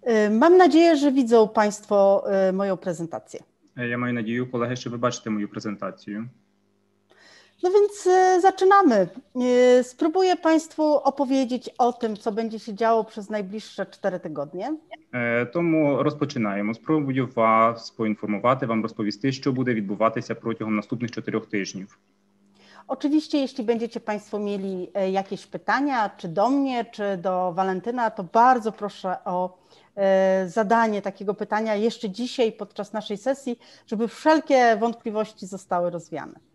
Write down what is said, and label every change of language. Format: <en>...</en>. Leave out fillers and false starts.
<pl>Mam nadzieję, że widzą Państwo moją prezentację. Ja mam nadzieję, kolega, że wybaczcie moją prezentację. No więc zaczynamy. Spróbuję Państwu opowiedzieć o tym, co będzie się działo przez najbliższe 4 tygodnie.</pl> <uk>Тому розпочинаємо. Спробую вас поінформувати, вам розповісти, що буде відбуватися протягом наступних 4 тижнів.</uk> <pl>Oczywiście, jeśli będziecie Państwo mieli jakieś pytania, czy do mnie, czy do Walentyna, to bardzo proszę o zadanie takiego pytania jeszcze dzisiaj podczas naszej sesji, żeby wszelkie wątpliwości zostały rozwiane.</pl>